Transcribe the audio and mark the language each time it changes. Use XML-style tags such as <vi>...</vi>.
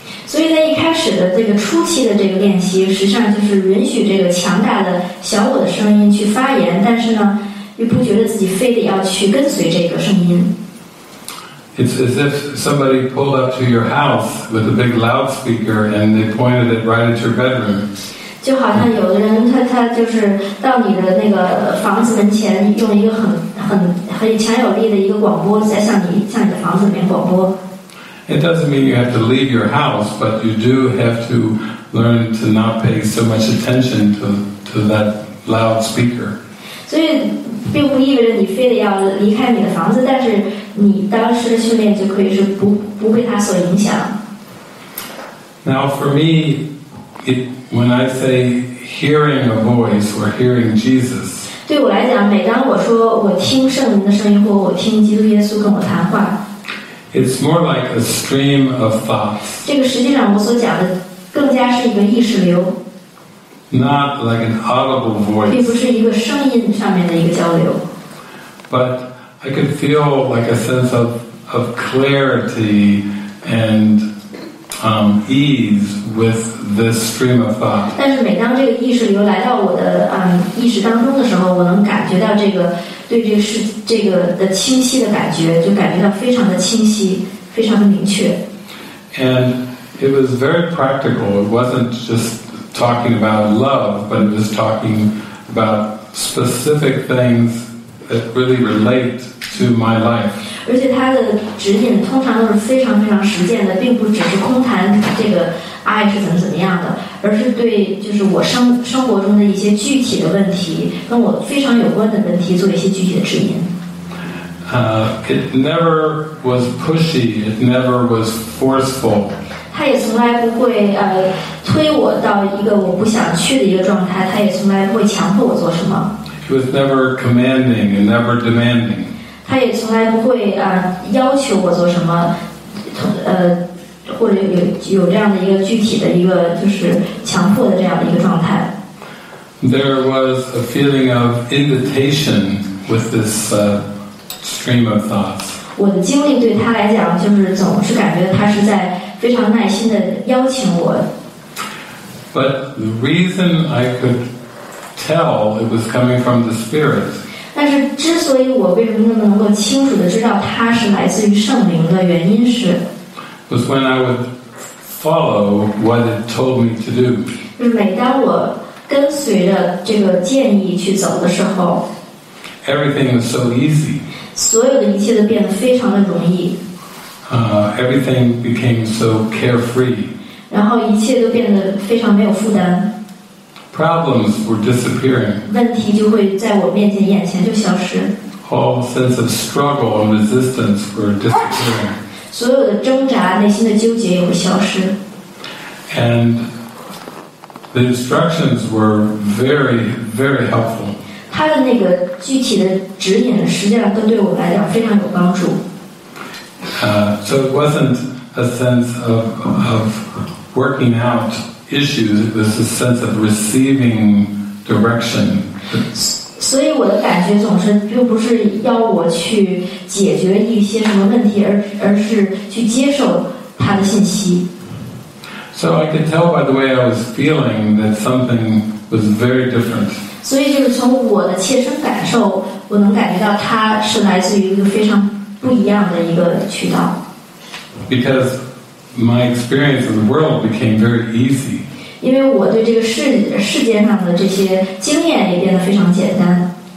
<zh>所以在一开始的这个初期的这个练习，实际上就是允许这个强大的小我的声音去发言，但是呢，又不觉得自己非得要去跟随这个声音。</zh> <en>It's as if somebody pulled up to your house with a big loudspeaker and they pointed it right at your bedroom.</en> <zh>就好像有的人他就是到你的那个房子门前，用一个很强有力的一个广播在向你的房子里面广播。</zh> <en>It doesn't mean you have to leave your house, but you do have to learn to not pay so much attention to that loud speaker.</en> <zh>所以并不意味着你非得要离开你的房子，但是你当时的训练就可以是不被它所影响。</zh> <en>Now for me, when I say hearing a voice or hearing Jesus,</en> <zh>对我来讲，每当我说我听圣灵的声音，或我听基督耶稣跟我谈话。</zh> <en>It's more like a stream of thoughts.</en> <zh>这个实际上我所讲的更加是一个意识流。</zh> <en>Not like an audible voice.</en> <zh>并不是一个声音上面的一个交流。</zh> <en>But I can feel like a sense of of clarity and ease with this stream of thought.</en> <zh>但是每当这个意识流来到我的意识当中的时候，我能感觉到这个对这个是这个的清晰的感觉，就感觉到非常的清晰，非常的明确。</zh> <en>And it was very practical. It wasn't just talking about love, but it was talking about specific things that really relate to my life.</en> <zh>而且它的指引通常都是非常非常实践的，并不只是空谈这个爱是怎么怎么样的，而是对就是我生活中的一些具体的问题，跟我非常有关的问题做一些具体的指引。</zh> <en>It never was pushy. It never was forceful.</en> <zh>它也从来不会推我到一个我不想去的一个状态，它也从来不会强迫我做什么。</zh> <en>It was never commanding and never demanding.</en> <zh>他也从来不会要求我做什么，或者有这样的一个具体的一个就是强迫的这样的一个状态。</zh> <en>There was a feeling of invitation with this stream of thoughts.</en> <zh>我的经历对他来讲，就是总是感觉他是在非常耐心的邀请我。</zh> <en>But the reason I could tell it was coming from the spirit.</en> <zh>但是之所以我为什么能够清楚地知道它是来自于圣灵的原因是</zh> <en>was when I would follow what it told me to do.</en> <zh>就是每当我跟随着这个建议去走的时候</zh> <en>everything was so easy.</en> <zh>所有的一切都变得非常的容易</zh> <en>everything became so carefree.</en> <zh>然后一切都变得非常没有负担</zh> <en>Problems were disappearing.</en> <zh>问题就会在我面前眼前就消失。</zh> <en>All sense of struggle and resistance were disappearing.</en> <zh>所有的挣扎，内心的纠结也会消失。</zh> <en>And the instructions were very, very helpful.</en> <zh>他的那个具体的指引，实际上都对我来讲非常有帮助。</zh> <en>So it wasn't a sense of working out. Issues, it was a sense of receiving direction.</en> <zh>所以我的感觉总是并不是要我去解决一些什么问题，而是去接受他的信息。</zh> <en>So I could tell by the way I was feeling that something was very different.</en> <zh>所以就是从我的切身感受，我能感觉到它是来自于一个非常不一样的一个渠道。</zh> <en>Because. My experience of the world became very easy.</en> <zh>因为我对这个世间上的这些经验也变得非常简单。</zh>